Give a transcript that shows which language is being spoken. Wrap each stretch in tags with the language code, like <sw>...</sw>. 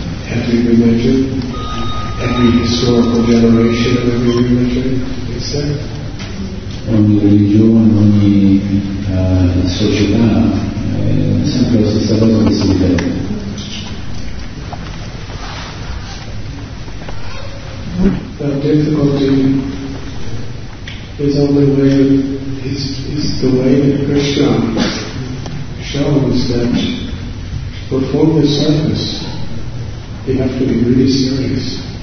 <en>Every religion, every historical generation of every religion, except</en> <it>ogni religione, ogni società, sempre la stessa cosa che si ripete.</it> <en>The difficulty is only when it's the way that Krishna shows that to perform this service, you have to be really serious.</en>